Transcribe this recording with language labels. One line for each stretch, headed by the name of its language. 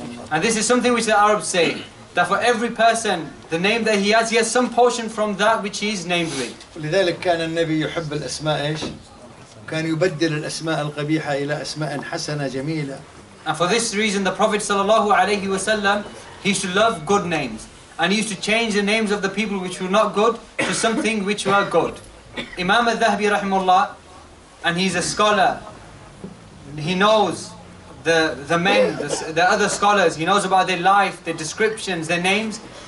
English: And this is something which the Arabs say, that for every person, the name that he has some portion from that which he is named with.
Arabic: لذلك كان النبي يحب الأسماء إيش؟ كان يبدل الأسماء القبيحة إلى أسماء حسنة جميلة.
English: And for this reason, the Prophet
Arabic: صلى الله عليه وسلم,
English: he used to love good names, and he used to change the names of the people which were not good to something which were good. Imam al-Dhahabi rahimullah, and he's a scholar. He knows the men, the other scholars. He knows about their life, their descriptions, their names.